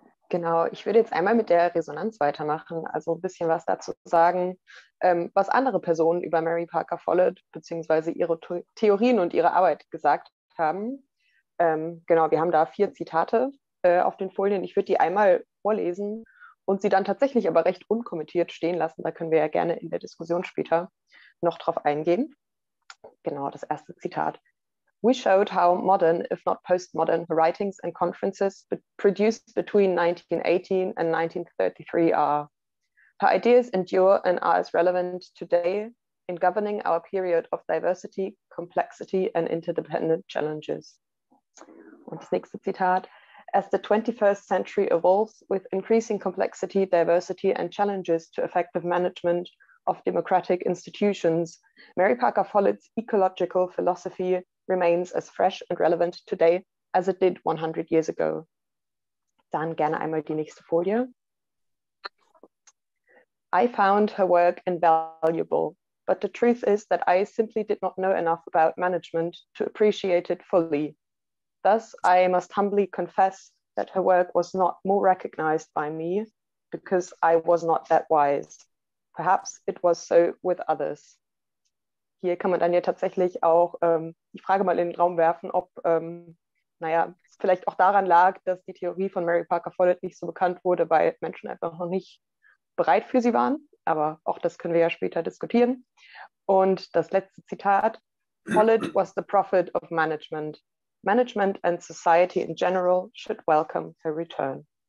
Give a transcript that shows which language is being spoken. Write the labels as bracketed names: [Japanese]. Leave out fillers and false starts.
[German] Genau, ich würde jetzt einmal mit der Resonanz weitermachen, also ein bisschen was dazu sagen, was andere Personen über Mary Parker Follett beziehungsweise ihre Theorien und ihre Arbeit gesagt haben. Wir haben da vier Zitate auf den Folien. Ich würde die einmal vorlesen und sie dann tatsächlich aber recht unkommentiert stehen lassen. Da können wir ja gerne in der Diskussion später noch drauf eingehen. Genau, das erste Zitat. [English] We showed how modern, if not postmodern, writings and conferences produced between 1918 and 1933 are. Her ideas endure and are as relevant today in governing our period of diversity, complexity and interdependent challenges. [German] Und das nächste Zitat. [English] As the 21st century evolves with increasing complexity, diversity and challenges to effective management of democratic institutions, Mary Parker Follett's ecological philosophy remains as fresh and relevant today as it did 100 years ago. [German] Dann gerne einmal die nächste Folie. [English] I found her work invaluable, but the truth is that I simply did not know enough about management to appreciate it fully. Thus, I must humbly confess that her work was not more recognized by me because I was not that wise. Perhaps it was so with others. [German] Hier kann man dann ja tatsächlich auch die Frage mal in den Raum werfen, ob es vielleicht auch daran lag, dass die Theorie von Mary Parker Follett nicht so bekannt wurde, weil Menschen einfach noch nicht bereit für sie waren. Aber auch das können wir ja später diskutieren. Und das letzte Zitat. [English] Follett was the prophet of management. Management and society in general should welcome her return.